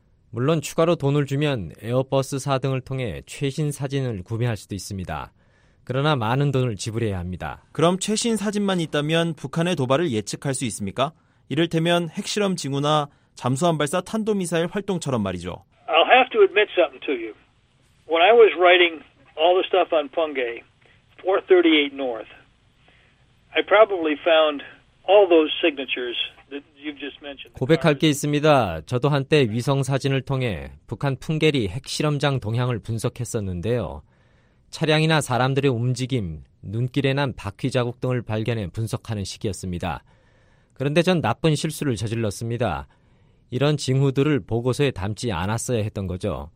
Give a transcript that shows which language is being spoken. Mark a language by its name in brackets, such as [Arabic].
[Korean] 물론 추가로 돈을 주면 에어버스사 등을 통해 최신 사진을 구매할 수도 있습니다. 그러나 많은 돈을 지불해야 합니다. 그럼 최신 사진만 있다면 북한의 도발을 예측할 수 있습니까? 이를테면 핵실험 징후나 잠수함 발사 탄도미사일 활동처럼 말이죠. [English] I'll have to admit something to you. When I was writing all the stuff on Punggye, 438 North, I probably found all those signatures that you've just mentioned. [Korean] 고백할 게 있습니다. 저도 한때 위성 사진을 통해 북한 풍계리 핵실험장 동향을 분석했었는데요. 차량이나 사람들의 움직임, 눈길에 난 바퀴 자국 등을 발견해 분석하는 시기였습니다. 그런데 전 나쁜 실수를 저질렀습니다. 이런 징후들을 보고서에 담지 않았어야 했던 거죠.